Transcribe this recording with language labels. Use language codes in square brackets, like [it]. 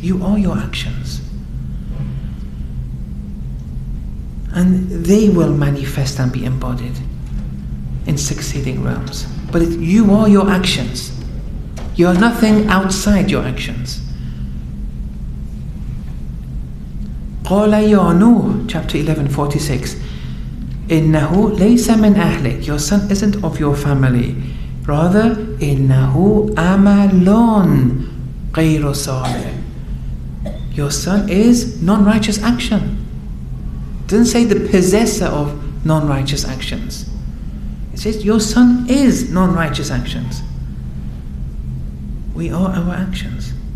[en] You are your actions. And they will manifest and be embodied in succeeding realms. But you are your actions. You are nothing outside your actions. [ar] قَالَ يَا نُوحُ, chapter 11, 46. إنه ليس من أهلك. [en] Your son isn't of your family. [ar] Rather, إنه أعمالٌ غير صالح. [en] Your son is non-righteous action. Didn't say the possessor of non-righteous actions. It says your son is non-righteous actions. We are our actions.